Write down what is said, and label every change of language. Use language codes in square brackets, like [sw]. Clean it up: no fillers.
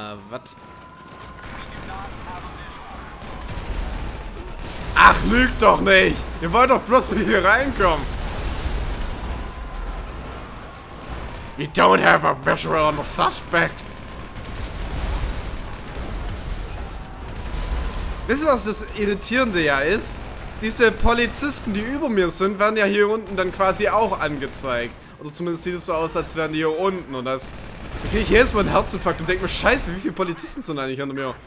[de] Was? Ach, lügt doch nicht! Ihr wollt doch bloß hier reinkommen! [en] We don't have a visual on the suspect! [de] Wisst ihr, was das Irritierende ja ist? Diese Polizisten, die über mir sind, werden ja hier unten dann quasi auch angezeigt. Oder zumindest sieht es so aus, als wären die hier unten. Und das. Da kriege ich jedes Mal einen Herzinfarkt und denke mir: Scheiße, wie viele Polizisten sind eigentlich hinter mir?